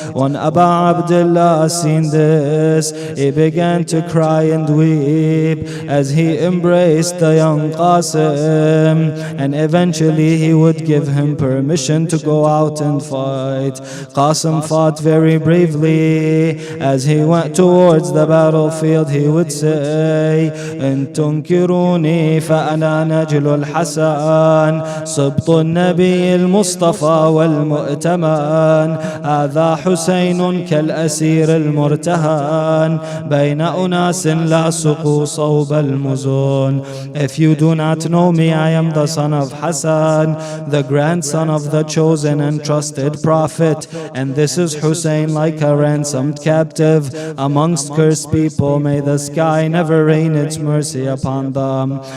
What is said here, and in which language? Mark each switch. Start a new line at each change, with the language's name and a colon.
English: When Abu Abdullah seen this, he began to cry and weep as he embraced the young Qasim, and eventually he would give him permission to go out and fight. Qasim fought very bravely. As he went towards the battlefield, he would say,
Arabic: إن تنكروني فأنا نجل الحسن سبط النبي المصطفى والمؤتمن هذا حسين كالأسير المرتهن بين أناس لا سقوا صوب المزون.
English: If you do not know me, I am the son of Hassan, the grandson of the chosen and trusted prophet, and this is Hussein, like a ransomed captive amongst cursed people. May the sky never rain its mercy upon them.